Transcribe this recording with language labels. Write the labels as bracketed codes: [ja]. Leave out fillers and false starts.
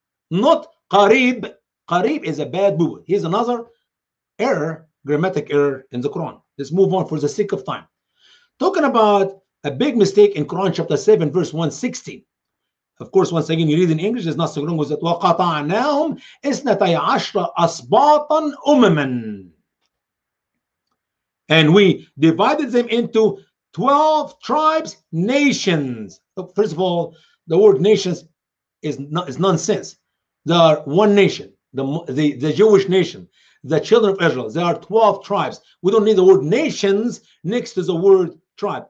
[en] Not qareeb. Qareeb is a bad word. Here's another error, grammatic error in the Quran. Let's move on for the sake of time. Talking about a big mistake in Quran chapter 7, verse 116. Of course, once again, you read in English, there's nothing wrong with it. [ar] وَقَطَعْنَاهُمْ إِسْنَتَيْ عَشْرَ أَصْبَاطًا أُمَمًا. [en] And we divided them into 12 tribes, nations. First of all, the word nations is nonsense. There are one nation, the Jewish nation, the children of Israel. There are 12 tribes. We don't need the word nations next to the word tribe.